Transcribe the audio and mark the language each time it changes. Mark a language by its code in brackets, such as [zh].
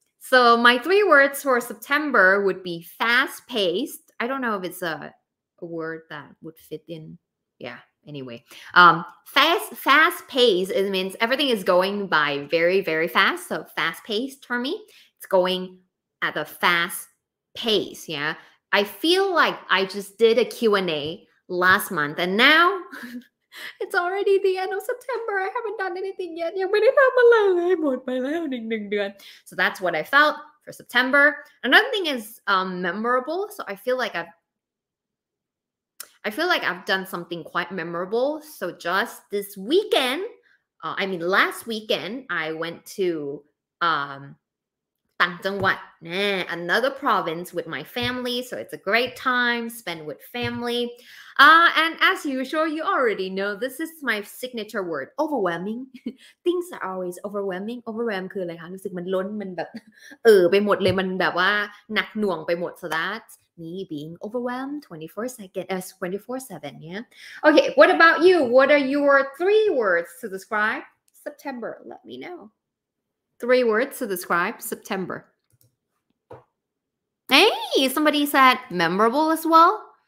[en] so my three words for September would be fast paced I don't know if it's a word that would fit in yeah anyway fast pace it means everything is going by very very fast so fast paced for me it's going at a fast pace yeah I feel like I just did a Q&A last month and now It's already the end of September. I haven't done anything yet. [th] ยังไม่ได้ทำอะไรเลยหมดไปแล้วหนึ่งเดือน [en] So that's what I felt for September. Another thing is memorable. So I feel like I've done something quite memorable. So just this weekend, last weekend, I went to [th] ต่างจังหวัด [en] another province with my family. So it's a great time spent with family. And as usual, you already know, this is my signature word, overwhelming. Things are always overwhelming. [th] Overwhelm คืออะไรคะรู้สึกมันล้นมันแบบไปหมดเลยมันแบบว่าหนักหน่วงไปหมด [en] so that's me being overwhelmed 24/7 yeah. Okay, what about you? What are your three words to describe September? Let me know. Three words to describe September. Hey, somebody said memorable as well.